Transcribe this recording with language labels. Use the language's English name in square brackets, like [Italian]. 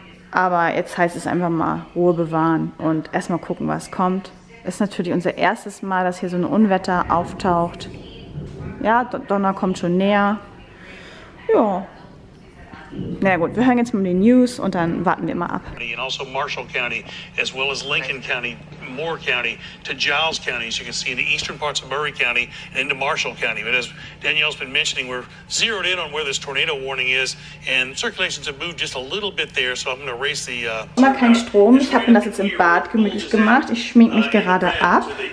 [German] Aber jetzt heißt es einfach mal Ruhe bewahren und erstmal gucken, was kommt. Es ist natürlich unser erstes Mal, dass hier so ein Unwetter auftaucht. Ja, Donner kommt schon näher. Ja. Na gut, wir hören jetzt mal die News und dann warten wir mal ab. [English] And also Marshall County, as well as Lincoln County, Moore County, to Giles County, as you can see in the eastern parts of Murray County and into Marshall County. But as Danielle's been mentioning, we're zeroed in on where this tornado warning is and circulations have moved just a little bit there, so I'm going to erase the... [German] Mal kein Strom, ich habe mir das jetzt im Bad gemütlich gemacht, ich schmink mich gerade ab.